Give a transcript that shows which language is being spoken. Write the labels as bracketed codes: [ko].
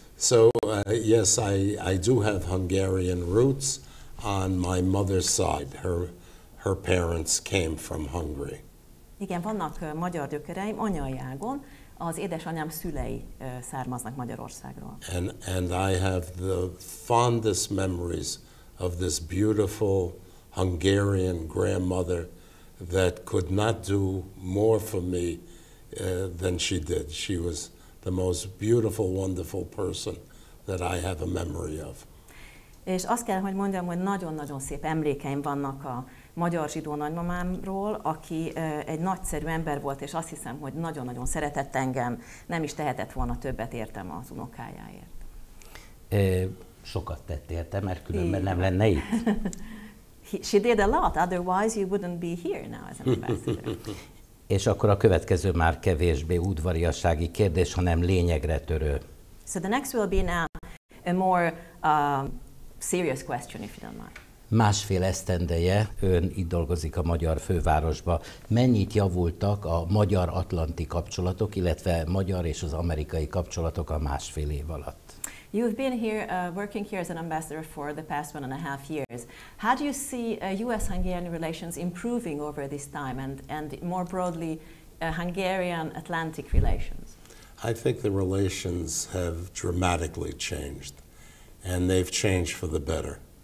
[en] So, yes, I do have Hungarian roots on my mother's side. Her parents came from Hungary. [hu] Igen, vannak magyar gyökereim anyai ágon. Az édesanyám szülei származnak Magyarországról. [en] And I have the fondest memories of this beautiful Hungarian grandmother that could not do more for me than she did. She was the most beautiful, wonderful person that I have a memory of. [hu] És azt kell, hogy mondjam, hogy nagyon-nagyon szép emlékeim vannak a magyar zsidó nagymamámról, aki egy nagyszerű ember volt, és azt hiszem, hogy nagyon-nagyon szeretett engem, nem is tehetett volna többet értem az unokájáért. Sokat tett értem, mert különben nem lenne itt. [en] She did a lot, otherwise you wouldn't be here now as an ambassador. [hu] És akkor a következő már kevésbé udvariassági kérdés, hanem lényegre törő. [en] So the next will be now a more serious question, if you don't mind. [hu] Másfél esztendeje ön itt dolgozik a magyar fővárosba. Mennyit javultak a magyar-atlanti kapcsolatok, illetve magyar és az amerikai kapcsolatok a másfél év alatt? [en] You've been here, working here as an ambassador for the past 1.5 years. How do you see U.S.-Hungarian relations improving over this time and more broadly Hungarian-Atlantic relations? I think the relations have dramatically changed and they've changed for the better.